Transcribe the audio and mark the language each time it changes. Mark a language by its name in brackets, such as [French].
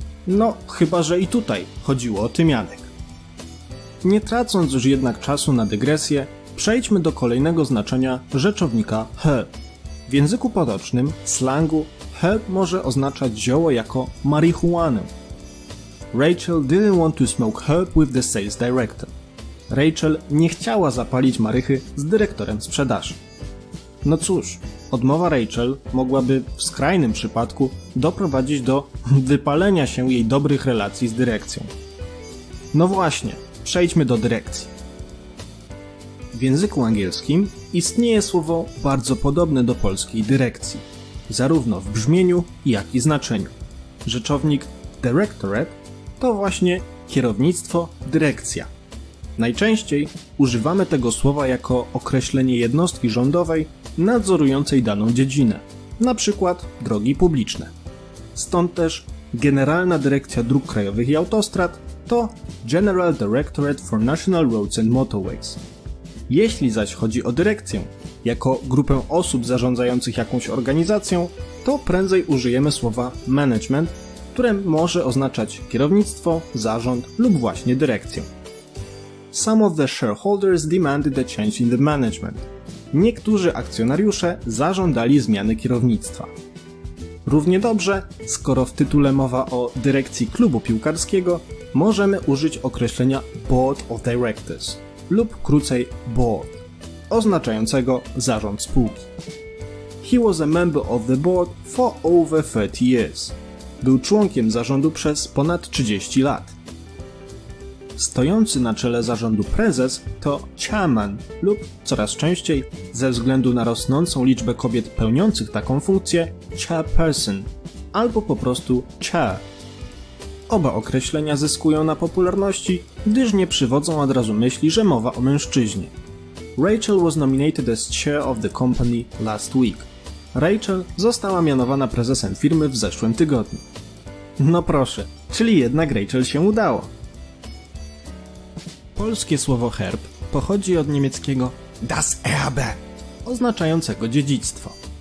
[Polish] No, chyba że i tutaj chodziło o tymianek. Nie tracąc już jednak czasu na dygresję, przejdźmy do kolejnego znaczenia rzeczownika help. W języku potocznym, slangu, help może oznaczać zioło jako marihuanę. [English] Rachel didn't want to smoke herb with the sales director. [Polish] Rachel nie chciała zapalić marychy z dyrektorem sprzedaży. No cóż, odmowa Rachel mogłaby w skrajnym przypadku doprowadzić do wypalenia się jej dobrych relacji z dyrekcją. No właśnie, przejdźmy do dyrekcji. W języku angielskim istnieje słowo bardzo podobne do polskiej dyrekcji, zarówno w brzmieniu, jak i znaczeniu. Rzeczownik directorate to właśnie kierownictwo, dyrekcja. Najczęściej używamy tego słowa jako określenie jednostki rządowej nadzorującej daną dziedzinę, na przykład drogi publiczne. Stąd też Generalna Dyrekcja Dróg Krajowych i Autostrad to General Directorate for National Roads and Motorways. Jeśli zaś chodzi o dyrekcję, jako grupę osób zarządzających jakąś organizacją, to prędzej użyjemy słowa management, które może oznaczać kierownictwo, zarząd lub właśnie dyrekcję. [English] Some of the shareholders demanded a change in the management. [Polish] Niektórzy akcjonariusze zażądali zmiany kierownictwa. Równie dobrze, skoro w tytule mowa o dyrekcji klubu piłkarskiego, możemy użyć określenia Board of Directors lub krócej board, oznaczającego zarząd spółki. [English] He was a member of the board for over 30 years. [Polish] Był członkiem zarządu przez ponad 30 lat. Stojący na czele zarządu prezes to chairman lub coraz częściej, ze względu na rosnącą liczbę kobiet pełniących taką funkcję, chairperson albo po prostu chair. Oba określenia zyskują na popularności, gdyż nie przywodzą od razu myśli, że mowa o mężczyźnie. [English] Rachel was nominated as chair of the company last week. [Polish] Rachel została mianowana prezesem firmy w zeszłym tygodniu. No proszę, czyli jednak Rachel się udało. Polskie słowo herb pochodzi od niemieckiego das Erbe, oznaczającego dziedzictwo.